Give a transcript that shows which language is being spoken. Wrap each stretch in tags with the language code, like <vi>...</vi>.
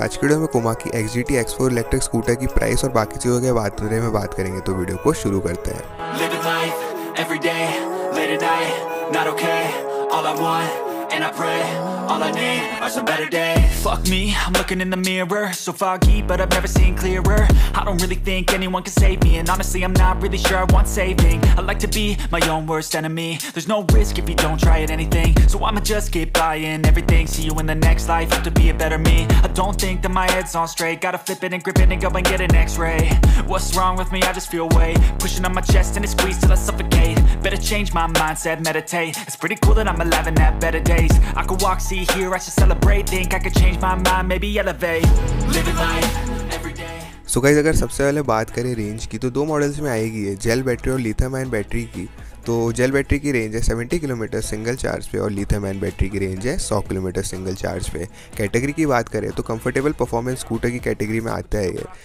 <hi>आज के वीडियो में कुमा की XGT X4 इलेक्ट्रिक स्कूटर की प्राइस और बाकी चीजों के बारे में बात करेंगे, तो वीडियो को शुरू करते हैं।</hi> <en>Living life, every day, late at night, not okay, all I want, and I pray. All I need are some better days. Fuck me, I'm looking in the mirror. So foggy, but I've never seen clearer. I don't really think anyone can save me. And honestly, I'm not really sure I want saving. I like to be my own worst enemy. There's no risk if you don't try at anything. So I'ma just keep buying everything. See you in the next life, hope to be a better me. I don't think that my head's on straight. Gotta flip it and grip it and go and get an x-ray. What's wrong with me? I just feel weight pushing on my chest and it squeezes till I suffocate. Better change my mindset, meditate. It's pretty cool that I'm alive and have better days. I could walk, see here, I should celebrate. Think I could change my mind, maybe elevate. Living life.</en> <hi>तो guys अगर सबसे पहले बात करें range की, तो दो models में आएगी है, जेल बैटरी और लिथियम आयन बैटरी की। तो जेल बैटरी की रेंज है 70 किलोमीटर सिंगल चार्ज पे और लिथियम आयन बैटरी की रेंज है 100 किलोमीटर सिंगल चार्ज पे। कैटेगरी की बात करें तो कंफर्टेबल परफॉर्मेंस स्कूटर की कैटेगरी में आता है ये।</hi>